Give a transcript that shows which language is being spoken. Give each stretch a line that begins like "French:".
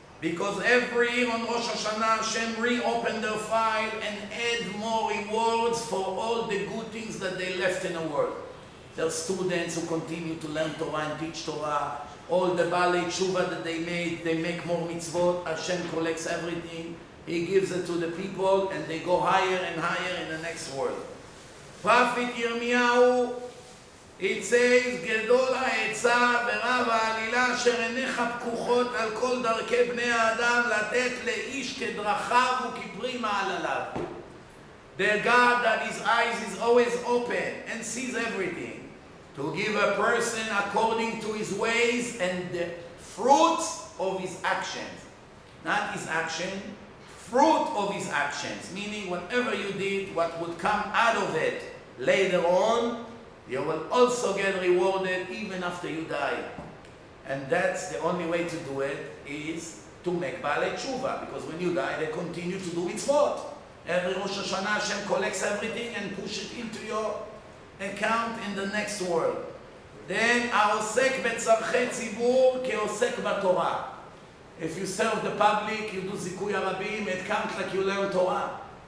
English: Because every year on Rosh Hashanah, Hashem reopened their file and add more rewards for all the good things that they left in the world. their students who continue to learn Torah and teach Torah. All the Balei Tshuva that they made, they make more mitzvot. Hashem collects everything. He gives it to the people and they go higher and higher in the next world. Prophet Yirmiyahu, it says,
Hebrew: גדול העצה ורב העלילה אשר עיניך פקוחות על כל דרכי בני האדם לתת לאיש כדרכיו וכפרי מעלליו.
English: The God that his eyes is always open and sees everything. To give a person according to his ways and the fruits of his actions. Not his action, fruit of his actions. Meaning whatever you did, what would come out of it later on, you will also get rewarded even after you die. And that's the only way to do it, is to make Baalei Tshuva. Because when you die, they continue to do its work. Every Rosh Hashanah, Hashem collects everything and push it into your account in the next world. Then,
Hebrew: העוסק בצרכי ציבור כעוסק בתורה.
English: If you serve the public, you do זיכוי הרבים, it counts like you learn Torah.